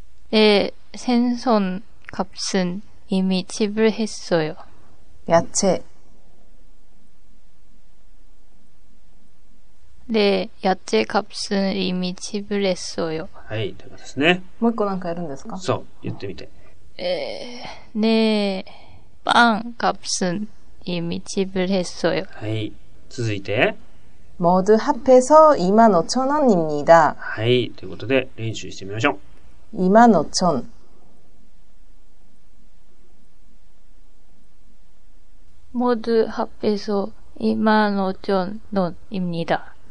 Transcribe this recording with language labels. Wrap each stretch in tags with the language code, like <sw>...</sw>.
<ko>네생선값은이미지불했어요 야채 네야채값은이미지불했어요</ko> <ja>はいということですねもう一個なんかやるんですかそう言ってみて</ja> <ko>네, 빵 값은 이미 지불 했어요.</ko> <ja>はい、続いて</ja> <ko>모두합해서2만5천원입니다。</ko> <ja>はい、ということで練習してみましょう。</ja> <ko>2만5천 모두합해서2만5천원입니다。</ko>